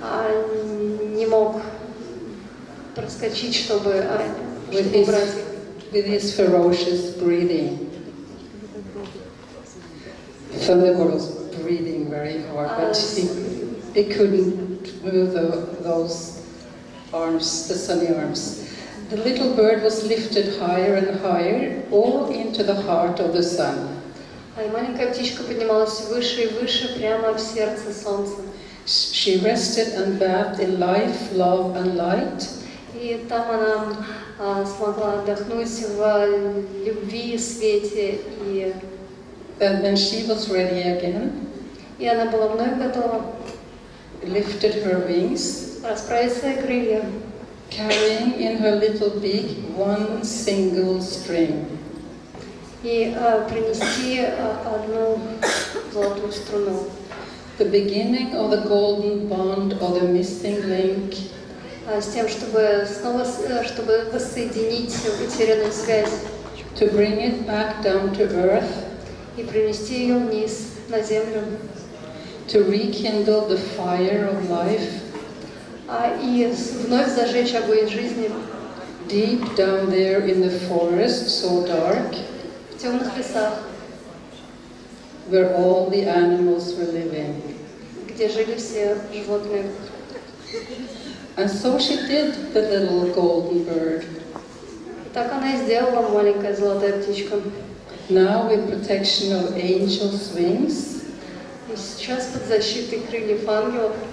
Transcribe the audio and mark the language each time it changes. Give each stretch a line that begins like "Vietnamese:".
Russian: Не мог проскочить, чтобы убрать их.
English: With his ferocious breathing. Thunderbolt was breathing very hard, but he couldn't move those arms, the sunny arms. The little bird was lifted higher and higher, all into the heart of the sun.
Russian: А маленькая птичка поднималась все выше и выше, прямо в сердце солнца.
English: She rested and bathed in life, love and light.
Russian: И там она смогла отдохнуть в любви и свете.
English: And then she was ready again.
Russian: И она была вновь готова.
English: Lifted her wings.
Russian: Расправила свои крылья.
English: Carrying in her little beak one single string.
Russian: И принести одну золотую струну.
English: The beginning of the golden bond or the missing link.
Russian: С тем, чтобы снова, чтобы воссоединить утерянную связь.
English: To bring it back down to earth.
Russian: И принести ее вниз на землю.
English: To rekindle the fire of life.
Russian: и вновь зажечь огонь жизни.
English: Deep down there in the forest, so dark.
Russian: В темных лесах.
English: Where all the animals were living.
Russian: Где жили все животные.
English: And so she did the little golden bird.
Russian: Так она и сделала маленькая золотая птичка.
English: Now with protection of angels' wings.
Russian: И сейчас под защитой крыльев ангелов.